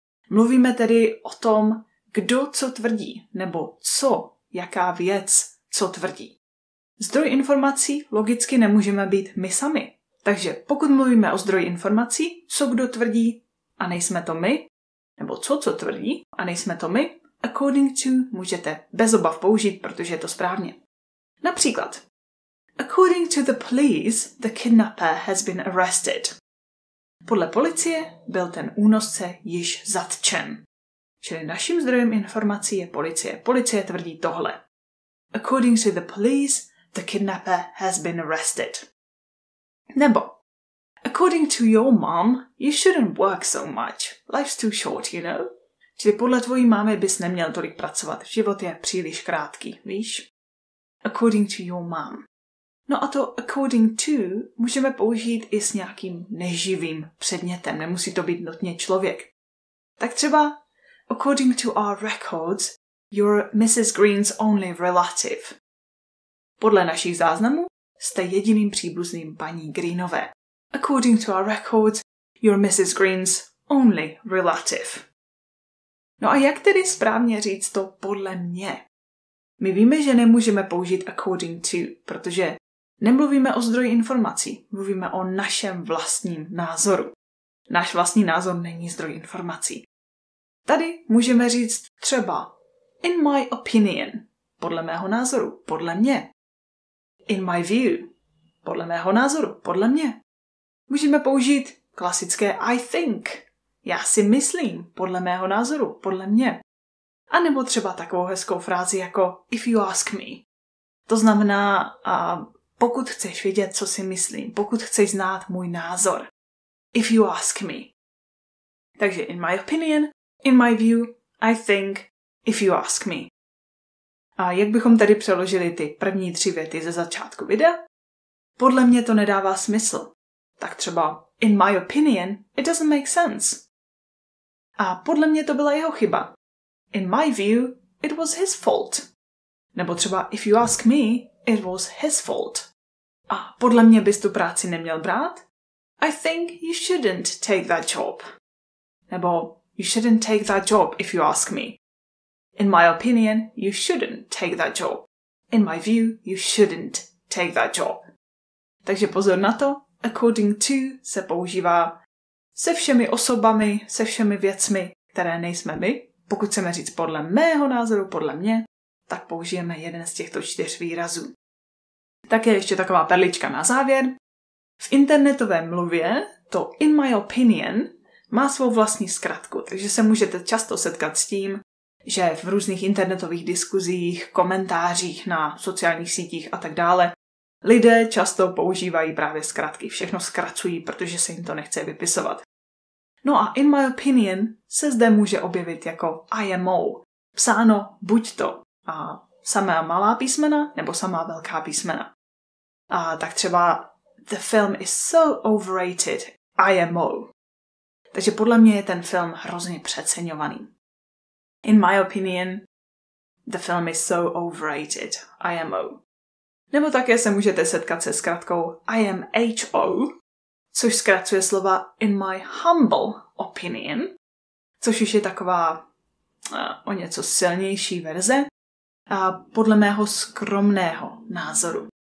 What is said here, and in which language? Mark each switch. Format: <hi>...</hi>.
<cs>Mluvíme tedy o tom, kdo co tvrdí, nebo co, jaká věc, co tvrdí. Zdroj informací logicky nemůžeme být my sami. Takže pokud mluvíme o zdroji informací, co kdo tvrdí a nejsme to my, nebo co tvrdí a nejsme to my,</cs> <en>according to</en> <cs>můžete bez obav použít, protože je to správně. Například,</cs> <en>according to the police, the kidnapper has been arrested.</en> <cs>Podle policie byl ten únosce již zatčen. Čili naším zdrojem informací je policie. Policie tvrdí tohle.</cs> <en>According to the police, the kidnapper has been arrested.</en> <cs>Nebo</cs> <en>according to your mom, you shouldn't work so much. Life's too short, you know?</en> <cs>Čili podle tvojí mámy bys neměl tolik pracovat. Život je příliš krátký, víš?</cs> <en>According to your mom.</en> <cs>No a to</cs> <en>according to</en> <cs>můžeme použít i s nějakým neživým předmětem, nemusí to být nutně člověk. Tak třeba</cs> <en>according to our records, you're Mrs. Green's only relative.</en> <cs>Podle našich záznamů jste jediným příbuzným paní Greenové.</cs> <en>According to our records, you're Mrs. Green's only relative.</en> <cs>No a jak tedy správně říct to podle mě? My víme, že nemůžeme použít</cs> <en>according to,</en> <cs>protože nemluvíme o zdroji informací, mluvíme o našem vlastním názoru. Náš vlastní názor není zdroj informací. Tady můžeme říct třeba</cs> <en>in my opinion,</en> <cs>podle mého názoru, podle mě.</cs> <en>In my view,</en> <cs>podle mého názoru, podle mě. Můžeme použít klasické</cs> <en>I think,</en> <cs>já si myslím, podle mého názoru, podle mě. A nebo třeba takovou hezkou frázi jako</cs> <en>if you ask me.</en> <cs>To znamená, pokud chceš vědět, co si myslím, pokud chceš znát můj názor, if you ask me. Takže</cs> <en>in my opinion, in my view, I think, if you ask me.</en> <cs>A jak bychom tedy přeložili ty první tři věty ze začátku videa? Podle mě to nedává smysl. Tak třeba</cs> <en>in my opinion, it doesn't make sense.</en> <cs>A podle mě to byla jeho chyba.</cs> <en>In my view, it was his fault.</en> <cs>Nebo třeba</cs> <en>if you ask me, it was his fault.</en> <cs>A podle mě bys tu práci neměl brát?</cs> <en>I think you shouldn't take that job.</en> <cs>Nebo</cs> <en>you shouldn't take that job if you ask me. In my opinion, you shouldn't take that job. In my view, you shouldn't take that job.</en> <cs>Takže pozor na to,</cs> <en>according to</en> <cs>se používá se všemi osobami, se všemi věcmi, které nejsme my. Pokud chceme říct podle mého názoru, podle mě, tak použijeme jeden z těchto čtyř výrazů. Tak je ještě taková perlička na závěr. V internetové mluvě to</cs> <en>in my opinion</en> <cs>má svou vlastní zkratku, takže se můžete často setkat s tím, že v různých internetových diskuzích, komentářích na sociálních sítích a tak dále, lidé často používají právě zkratky, všechno zkracují, protože se jim to nechce vypisovat. No a</cs> <en>in my opinion</en> <cs>se zde může objevit jako IMO, psáno buď to a samá malá písmena nebo samá velká písmena. A tak třeba</cs> <en>the film is so overrated, IMO.</en> <cs>Takže podle mě je ten film hrozně přeceňovaný.</cs> <en>In my opinion, the film is so overrated, IMO.</en> <cs>Nebo také se můžete setkat se zkratkou IMHO, což zkracuje slova</cs> <en>in my humble opinion,</en> <cs>což už je taková o něco silnější verze, a podle mého skromného názoru.</cs>